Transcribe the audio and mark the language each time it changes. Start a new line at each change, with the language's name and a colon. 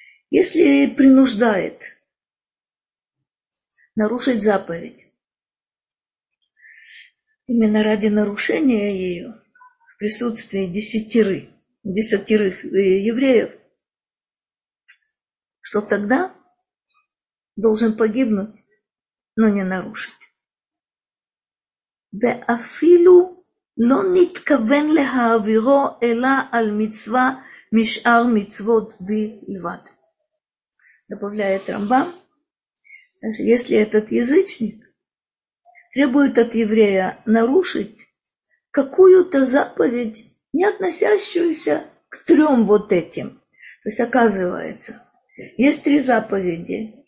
Russian: Если принуждает нарушить заповедь, именно ради нарушения ее в присутствии десятерых евреев, что тогда должен погибнуть, но не нарушить.
Hebrew: Беафилу לא נתכוון להעבירו אלא על מצווה משאר מצוות בלבד.
Russian: Добавляет Рамбам. Если этот язычник требует от еврея нарушить какую-то заповедь, не относящуюся к трем вот этим. То есть оказывается, есть три заповеди.